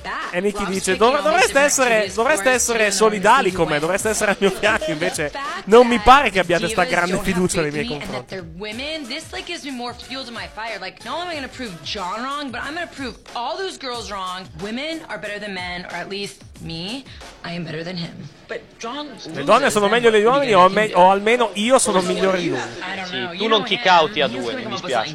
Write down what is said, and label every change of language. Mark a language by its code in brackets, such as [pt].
[it] E Nikki dice: dovreste essere solidali con me, dovreste essere al mio fianco. Invece non mi pare che abbiate sta grande fiducia nei miei confronti. [en] This like gives me more fuel to my fire. Like, not only am I gonna prove John wrong, but I'm gonna prove all those girls wrong. Women are better than men, or at least me, I am better than him. But John, [it] le donne sono meglio degli uomini, o almeno io sono migliore di lui. Tu non [en] kick out [it] a due, mi dispiace.